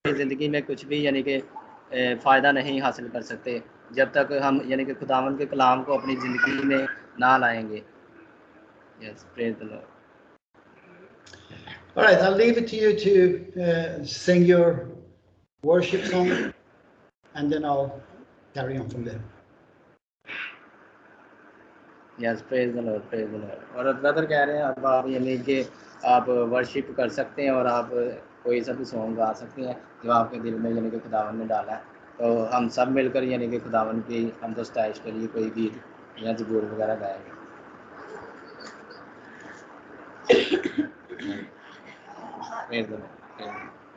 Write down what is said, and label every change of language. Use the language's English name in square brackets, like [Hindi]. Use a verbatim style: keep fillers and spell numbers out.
[Urdu] زندگی میں کچھ بھی یعنی کہ اے، فائدہ نہیں حاصل کر سکتے جب تک ہم یعنی کہ خداوند کے کلام کو اپنی زندگی میں نہ لائیں گے۔ [English] Yes, praise the Lord. All right, I'll leave it to you to uh, sing your worship song, and then I'll carry on from there. Yes, praise the Lord, praise the Lord. [Urdu] اور brother کہہ رہے ہیں اب آپ یعنی کہ آپ worship کر سکتے ہیں اور آپ کوئی سا بھی سونگ گا سکتے ہیں جو آپ کے دل میں یعنی کہ خداوند نے ڈالا ہے۔ تو ہم سب مل کر یعنی کہ خداوند کی حمد و ستائش کے لیے کوئی گیت یا زبور وغیرہ گائیں گے۔ [English] Praise the Lord, praise the Lord.